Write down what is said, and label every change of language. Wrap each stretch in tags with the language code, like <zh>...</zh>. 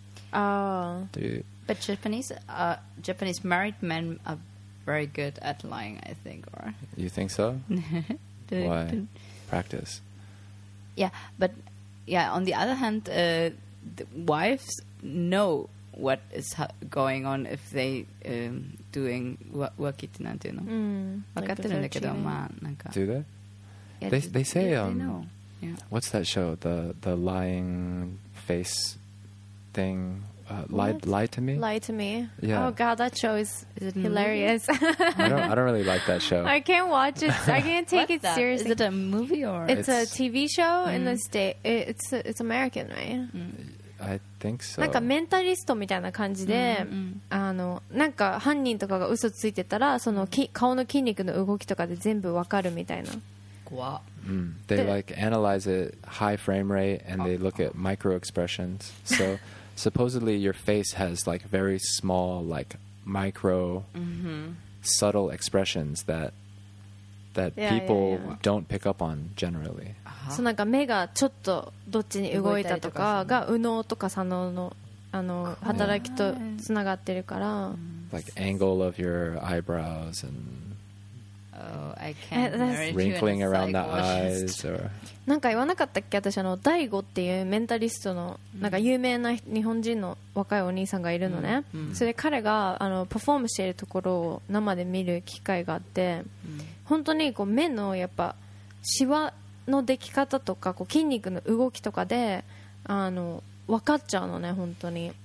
<en>But Japanese married men are very good at lying, I think, or? You think so? Why? Practice. Yeah, but, yeah, on the other hand, the wives know. What is going on if they doing work it?</en> <ja>なんていうの、分かってるんだけど、まあなんか。</ja> <en>Do they? They say what's that show? The lying face thing. Lie to me. Lie to me. Yeah. Oh God, that show is hilarious. I don't really like that show. I can't watch it. I can't take it seriously. Is it a movie or? It's a TV show in the state. It's American, right? I think so.</en> <ja>なんかメンタリストみたいな感じで、なんか犯人とかが嘘ついてたら、その顔の筋肉の動きとかで全部わかるみたいな。怖。</ja> <en>They like analyze it high frame rate and they look at micro expressions. So supposedly your face has like very small, like micro, subtle expressions that people don't pick up on generally.</en> <ja>そうなんか目がちょっとどっちに動いたとかが右脳とか左脳の働きとつながってるから</ja> <en>like angle of your eyebrows and oh I can't wrinkling around the eyes or</en> <ja>なんか言わなかったっけ私大吾っていうメンタリストのなんか有名な日本人の若いお兄さんがいるのね、それで彼がパフォームしているところを生で見る機会があって、本当にこう目のやっぱシワの出来方とかこう筋肉の動きとかで分かっちゃうのね本当に。</ja>